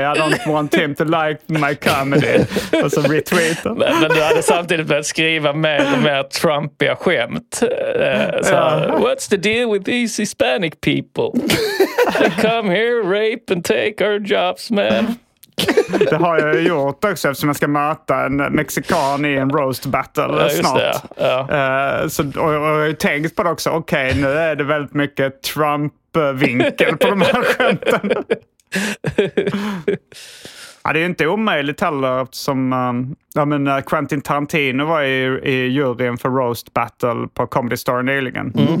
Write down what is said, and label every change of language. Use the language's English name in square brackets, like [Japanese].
[English] I don't want him to like my comedy. [Swedish] Och så retweetar. Men du hade samtidigt börjat skriva mer och mer Trumpiga skämt. [English] Så, what's the deal with these Hispanic people? They come here, rape and take our jobs, man. [Swedish] Det har jag gjort också eftersom jag ska möta en mexikan i en roast battle snart. Det, ja. Och jag har ju tänkt på det också. Okej, nu är det väldigt mycket Trump-vinkel på de här skämten. Ja, det är ju inte omöjligt heller eftersom Quentin Tarantino var i juryn för roast battle på Comedy Store nyligen. Mm.